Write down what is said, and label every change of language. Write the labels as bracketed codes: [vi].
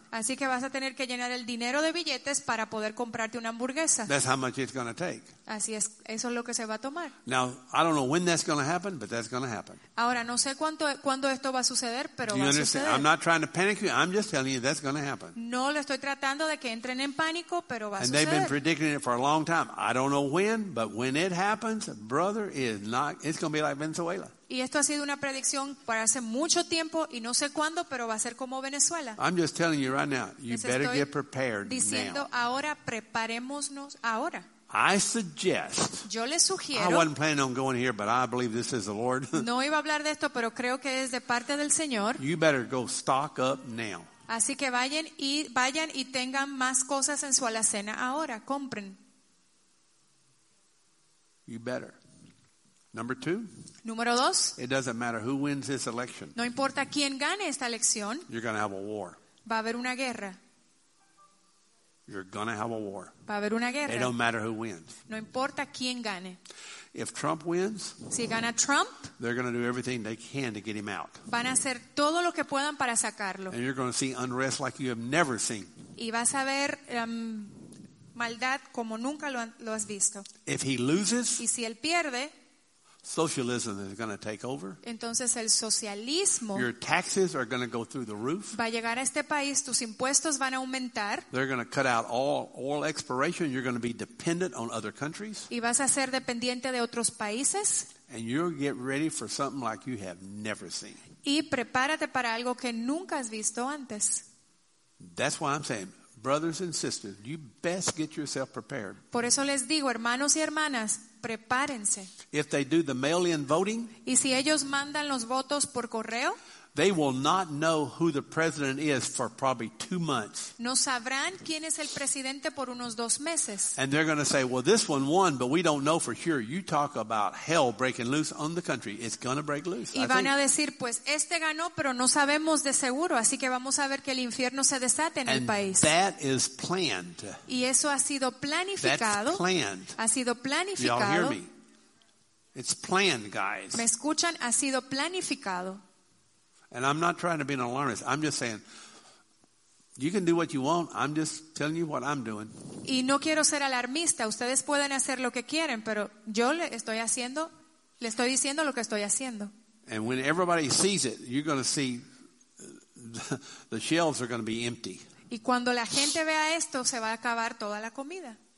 [es] Así que vas a tener que llenar el dinero de billetes para poder comprarte una hamburguesa. [en] That's how much it's going to take. [es] Así es, eso es lo que se va a tomar. [en] Now, I don't know when that's going to happen, but that's going to happen. [es] Ahora no sé cuándo esto va a suceder, pero va a suceder. [en] I'm not trying to panic you. I'm just telling you that's going to happen. [es] No lo estoy tratando de que entren en pánico, pero va a suceder. [en] And they've been predicting it for a long time. I don't know when, but when it happens, brother, it's going to be like Venezuela. [es] Y esto ha sido una predicción para hace mucho tiempo y no sé cuándo, pero va a ser como Venezuela. [en] I'm just telling you right now, you better get prepared now. [es] Diciendo ahora, preparémonos ahora. [en] I suggest. [es] Yo les sugiero. [en] I wasn't planning on going here, but I believe this is the Lord. [es] No iba a hablar de esto, pero creo que es de parte del Señor. [en] You better go stock up now. [es] Así que vayan y tengan más cosas en su alacena ahora. Compren. [en] You better. Number two. [es] Número dos. [en] It doesn't matter who wins this election. [es] No importa quién gane esta elección. [en] You're going to have a war. [es] Va a haber una guerra. [en] You're going to have a war. [es] Va a haber una guerra. [en] It don't matter who wins. [es] No importa quién gane. [en] If Trump wins, [es] si gana Trump, [en] they're going to do everything they can to get him out. [es] Van a hacer todo lo que puedan para sacarlo. [en] And you're going to see unrest like you have never seen. [es] Y vas a ver maldad como nunca lo has visto. [en] If he loses, [es] y si él pierde, [en] socialism is going to take over. [es] Entonces el socialismo, [en] your taxes are going to go through the roof. [es] Va a llegar a este país, tus impuestos van a aumentar. [en] They're going to cut out all oil exploration. You're going to be dependent on other countries. [es] Y vas a ser dependiente de otros países. [en] And you'll get ready for something like you have never seen. [es] Y prepárate para algo que nunca has visto antes. [en] That's why I'm saying, brothers and sisters, you best get yourself prepared. [es] Por eso les digo, hermanos y hermanas, prepárense. [en] If they do the mail-in voting, [es] y si ellos mandan los votos por correo, [en] they will not know who the president is for probably 2 months. [es] No sabrán quién es el presidente por unos dos meses. [en] And they're going to say, well, this one won, but we don't know for sure. You talk about hell breaking loose on the country. It's going to break loose. [es] Y van a decir, pues este ganó, pero no sabemos de seguro. Así que vamos a ver que el infierno se desate en el país. [en] And that is planned. [es] Y eso ha sido planificado. [en] That's planned. [es] Ha sido planificado. [en] Y'all hear me. It's planned, guys. [es] Me escuchan, ha sido planificado. [en] And I'm not trying to be an alarmist. I'm just saying, you can do what you want. I'm just telling you what I'm doing. [es] Y no quiero ser alarmista. Ustedes pueden hacer lo que quieren, pero yo le estoy diciendo lo que estoy haciendo. [en] And when everybody sees it, you're going to see the shelves are going to be empty. [es] Y cuando la gente vea esto, se va a acabar toda la comida.